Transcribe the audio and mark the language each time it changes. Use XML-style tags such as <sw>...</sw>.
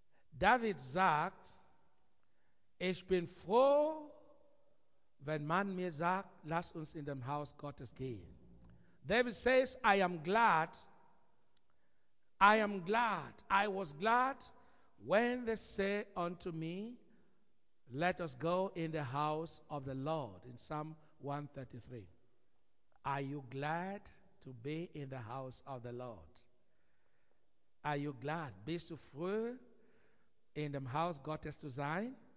<de>David sagt, ich bin froh, wenn man mir sagt, lass uns in dem Haus Gottes gehen.</de> <en>David says, I am glad. I am glad. I was glad when they say unto me, let us go in the house of the Lord. In Psalm 133. Are you glad to be in the house of the Lord? Are you glad?</en> <de>Bist du froh, in dem Haus Gottes zu sein?</de>